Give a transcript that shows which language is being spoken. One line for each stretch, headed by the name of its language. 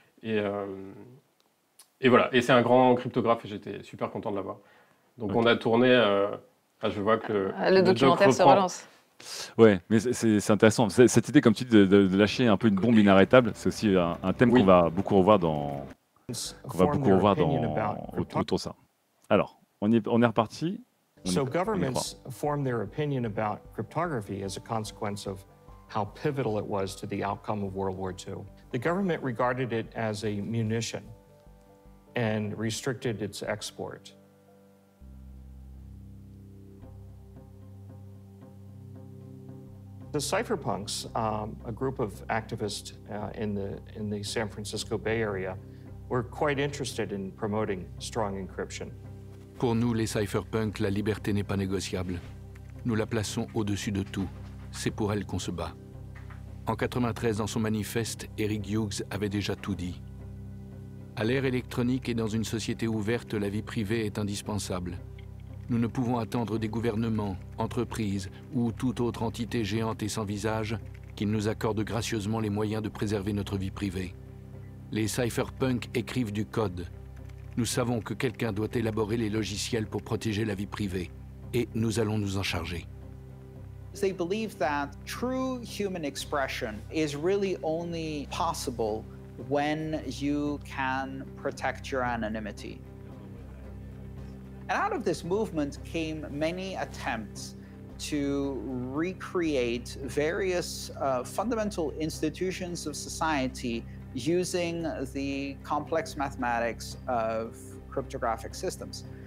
French: Et voilà, et c'est un grand cryptographe et j'étais super content de l'avoir. Donc on a tourné, je vois que le documentaire se relance. Ouais, mais c'est intéressant. Cette idée, comme tu dis, de lâcher un peu une bombe inarrêtable, c'est aussi un thème qu'on va beaucoup revoir dans. Qu'on va beaucoup revoir dans. Autour de ça. Alors, on est reparti.
English: So governments form their opinion about cryptography as a consequence of how pivotal it was to the outcome of World War II. The government regarded it as a munition and restricted its export. The cypherpunks, a group of activists in the San Francisco Bay Area, were quite interested in promoting strong encryption.
French: Pour nous, les cypherpunks, la liberté n'est pas négociable. Nous la plaçons au-dessus de tout. C'est pour elle qu'on se bat. En 1993, dans son manifeste, Eric Hughes avait déjà tout dit. À l'ère électronique et dans une société ouverte, la vie privée est indispensable. Nous ne pouvons attendre des gouvernements, entreprises ou toute autre entité géante et sans visage qu'il nous accorde gracieusement les moyens de préserver notre vie privée. Les cypherpunks écrivent du code. Nous savons que quelqu'un doit élaborer les logiciels pour protéger la vie privée, et nous allons nous en charger.
English: They believe that true human expression is really only possible when you can protect your anonymity. And out of this movement came many attempts to recreate various fundamental institutions of society using the complex mathematics of cryptographic systems.